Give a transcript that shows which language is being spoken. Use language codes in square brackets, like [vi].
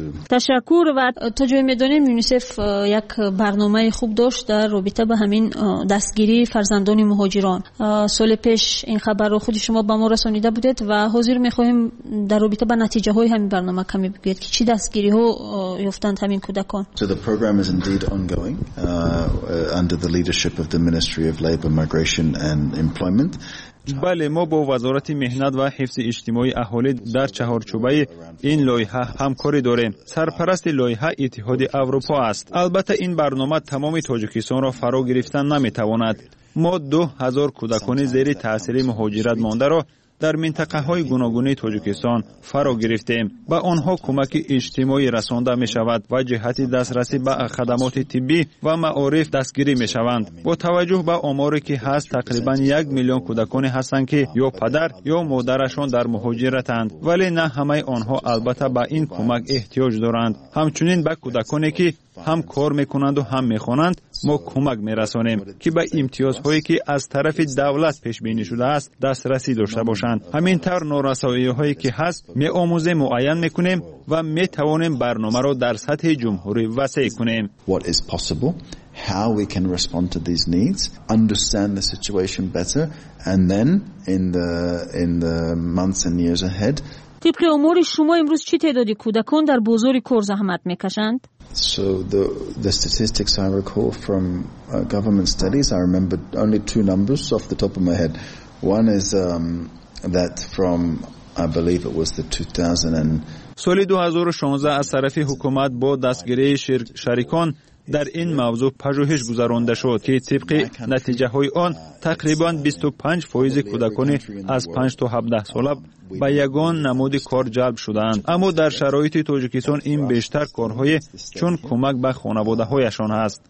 [fa] تشکر و تا جایی می دانیم یونیسف یک برنامه خوب داشت در رابطه به همین دستگیری فرزندان مهاجران. سال پیش این خبر رو خود شما به ما رسانیده بودید و حاضر می خواهیم در رابطه به نتیجه های همین برنامه کمی بگید که چی دستگیری ها یافتند همین کودکان. [en] So the program is indeed ongoing under the leadership of the Ministry of Labor, Migration and Employment. [fa] بله، ما با وزارت مهنت و حفظ اجتماعی اهالی در چهارچوبه این لایحه همکاری داریم. سرپرست لایحه اتحاد اروپا است. البته این برنامه تمام تاجیکستان را فرا گرفتن نمیتواند. ما 2000 کودکان زیر تاثیر مهاجرت مانده را در منطقه های گوناگون تاجیکستان فرا گرفتیم. با آنها کمک اجتماعی رسانده می شود و جهت دسترسی به خدمات طبی و معارف دستگیری می شوند. با توجه به آماری که هست تقریبا 1 میلیون کودکان هستند که یا پدر یا مادرشان در مهاجرتند، ولی نه همه آنها البته به این کمک احتیاج دارند. همچنین به کودکانی که هم کار میکنند و هم میخوانند ما کمک میرسانیم که به امتیازهایی که از طرف دولت پیش بینی شده است دسترسی داشته باشند. همین طور نارسایی هایی که هست میآموزه معین میکنیم و میتوانیم برنامه را در سطح جمهوری وسیع کنیم. [en] What is possible, how we can respond to these needs, understand the situation better, and then in the months and years ahead. [fa] طبق اموری شما امروز چی تعدادی کودکان در بازار کار زحمت میکشند؟ [en] So the statistics I recall from government studies, I remember only two numbers off the top of my head. One is that from, I believe it was the 2000 [fa] سال 2016 از طرف حکومت با دستگیری شریکان در این موضوع پژوهش گذرانده شد که طبق نتیجه های آن تقریبا 25% کودکان از 5 تا 17 ساله با یگان نمود کار جلب شدند. اما در شرایط تاجیکستان این بیشتر کارهای چون کمک به خانواده هایشان است.